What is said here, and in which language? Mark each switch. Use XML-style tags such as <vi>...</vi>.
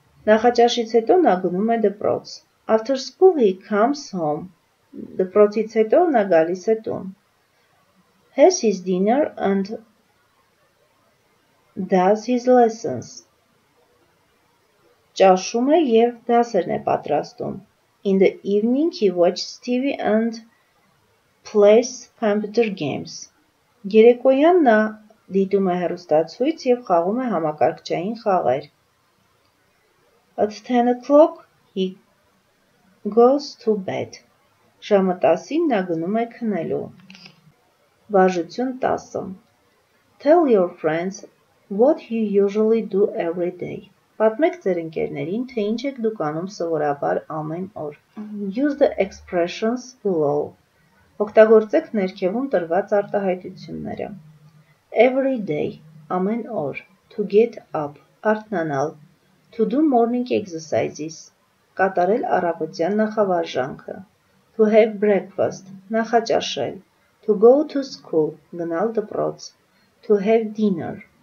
<hy>Նախաճաշից հետո նա գնում է դպրոց.</hy> <en>After school he comes home.</en> <hy>Դպրոցից հետո նա գալիս է տուն.</hy> <en>Has his dinner and does his lessons.</en> <hy>Ճաշում է եւ դասերն է պատրաստում.</hy> <en>In the evening he watches TV and plays computer games.</en> <hy>Երեկոյան նա դիտում է հեռուստացույց եւ խաղում է համակարգչային խաղեր.</hy> <en>At 10 o'clock he goes to bed.</en> <hy>Ժամը 10-ին նա գնում է քնելու։ Վարժություն 10.</hy> <en>Tell your friends what you usually do every day.</en> <hy>Պատմեք ձեր ընկերներին, թե ինչ եք դուք անում սովորաբար ամեն օր։</hy> <en>Use the expressions below.</en> <hy>Օգտագործեք ներքևում տրված արտահայտությունները։</hy> <en>Every day, ամեն օր, to get up, արթնանալ, to do morning exercises, կատարել առավոտյան նախավարժանքը, to have breakfast, նախաճաշել, to go to school, գնալ դպրոց, to have dinner,</en>